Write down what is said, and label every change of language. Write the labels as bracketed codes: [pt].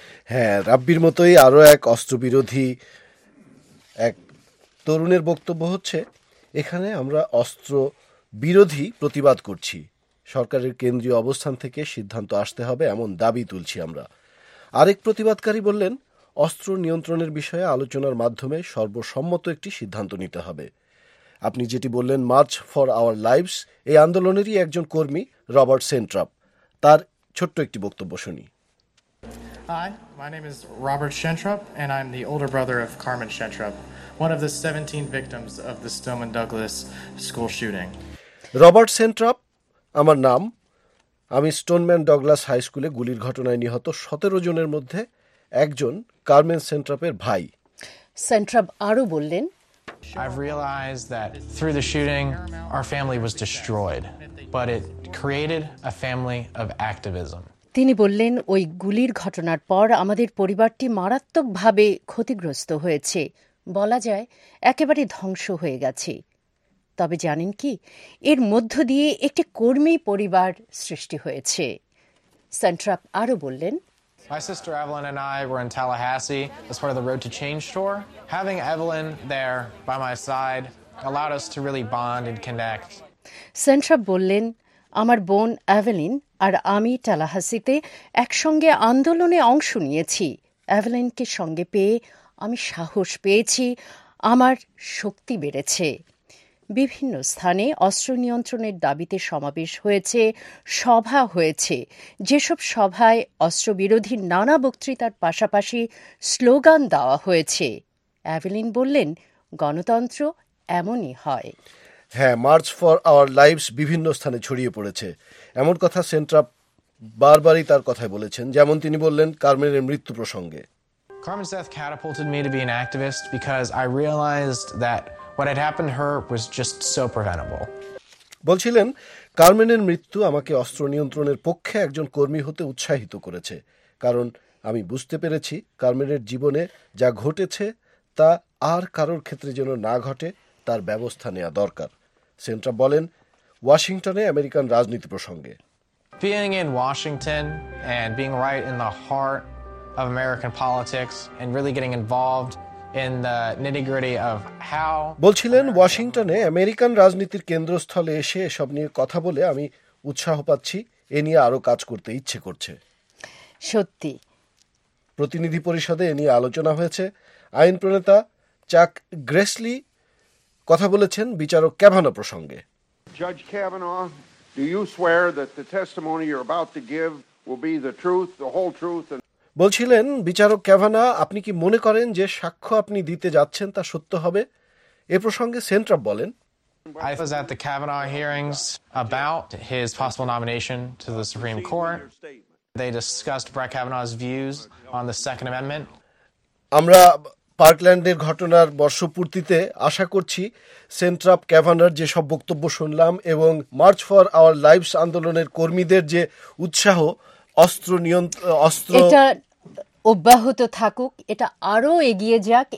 [bn] হ্যাঁ, রাব্বির মতোই আরও এক অস্ত্রবিরোধী এক তরুণের বক্তব্য হচ্ছে, এখানে আমরা অস্ত্র বিরোধী প্রতিবাদ করছি, সরকারের কেন্দ্রীয় অবস্থান থেকে সিদ্ধান্ত আসতে হবে এমন দাবি তুলছি আমরা। আরেক প্রতিবাদকারী বললেন, অস্ত্র নিয়ন্ত্রণের বিষয়ে আলোচনার মাধ্যমে সর্বসম্মত একটি সিদ্ধান্ত নিতে হবে। আপনি যেটি বললেন মার্চ ফর আওয়ার লাইভস, এই আন্দোলনেরই একজন কর্মী রবার্ট সেন্ট্রাপ, তার ছোট্ট একটি বক্তব্য শুনি। [en] Hi, my name is Robert Shentrup and I'm the older brother of Carmen Shentrup, one of the 17 victims of the Stoneman Douglas school shooting. [bn] Robert Shentrup, আমার নাম, আমি স্টোনম্যান ডগলাস হাই স্কুলে গুলির ঘটনায় নিহত 17 জনের মধ্যে একজন কার্মেন সেন্ট্রাপের ভাই। সেন্ট্রাপ আরো বললেন, [en] I've realized that through the shooting our family was destroyed, but it created a family of activism. [bn] তিনি বললেন, ওই গুলির ঘটনার পর আমাদের পরিবারটি মারাত্মকভাবে ক্ষতিগ্রস্ত হয়েছে, বলা যায় একেবারে ধ্বংস হয়ে গেছে। তবে জানেন কি, এর মধ্য দিয়ে একটি কর্মী পরিবার সৃষ্টি হয়েছে। সেন্ট্রাপ আরো বললেন, [en] My sister Evelyn and I were in Tallahassee as part of the Road to Change tour. Having Evelyn there by my side allowed us to really bond and connect. [bn] সেন্ট্রাপ বললেন, আমার বোন এভেলিন আর আমি টালাহাসিতে একসঙ্গে আন্দোলনে অংশ নিয়েছি। এভেলিনকে সঙ্গে পেয়ে আমি সাহস পেয়েছি, আমার শক্তি বেড়েছে। বিভিন্ন স্থানে অস্ত্র নিয়ন্ত্রণের দাবিতে সমাবেশ হয়েছে, সভা হয়েছে, যেসব সভায় অস্ত্রবিরোধী নানা বক্তৃতার পাশাপাশি স্লোগান দেওয়া হয়েছে। এভেলিন বললেন, গণতন্ত্র এমনই হয়। হ্যাঁ, মার্চ ফর আওয়ার লাইভস বিভিন্ন স্থানে ছড়িয়ে পড়েছে, এমন কথা সেন্ট্রাপ বারবারই তার কথায় বলেছেন। যেমন তিনি বললেন কার্মেনের মৃত্যু প্রসঙ্গে, [en] Carmen's death catapulted me to be an activist because I realized that what had happened to her was just so preventable. [bn] বলছিলেন, কার্মেনের মৃত্যু আমাকে অস্ত্র নিয়ন্ত্রণের পক্ষে একজন কর্মী হতে উৎসাহিত করেছে, কারণ আমি বুঝতে পেরেছি কার্মেনের জীবনে যা ঘটেছে তা আর কারোর ক্ষেত্রে যেন না ঘটে, তার ব্যবস্থা নেওয়া দরকার। সেন্ট্রাপ বলেন ওয়াশিংটনে আমেরিকান রাজনীতি প্রসঙ্গে, [en] Being in Washington and being right in the heart of American politics and really getting involved in the nitty-gritty of how [bn] বলছিলেন, ওয়াশিংটনে আমেরিকান রাজনীতির কেন্দ্রস্থলে এসে সব নিয়ে কথা বলে আমি উৎসাহ পাচ্ছি, এ নিয়ে আরো কাজ করতে ইচ্ছে করছে। সত্যি প্রতিনিধি পরিষদে এ নিয়ে আলোচনা হয়েছে। আইন প্রণেতা চাক গ্রেসলি কথা বলেছেন বিচারক ক্যাভানা প্রসঙ্গে, [en] Judge Kavanaugh, do you swear that the testimony you're about to give will be the truth, the whole truth? [bn] বলছিলেন বিচারক ক্যাভানা, আপনি কি মনে করেন যে সাক্ষ্য আপনি দিতে যাচ্ছেন তা সত্য হবে? এ প্রসঙ্গে সেন্ট্রাপ বলেন, [en] I was at the Kavanaugh hearings about his possible nomination to the Supreme Court. They discussed Brett Kavanaugh's views on the Second Amendment. [bn] আমরা পার্কল্যান্ডের ঘটনার বর্ষপূর্তিতে আশা করছি সেন্ট্রাপ ক্যাভানার যে সব বক্তব্য শুনলাম এবং মার্চ ফর আওয়ার লাইভস আন্দোলনের কর্মীদের যে উৎসাহ অস্ত্র নিয়ন্ত্রণ অস্ত্র এটা অব্যাহত থাকুক, এটা আরো এগিয়ে যাক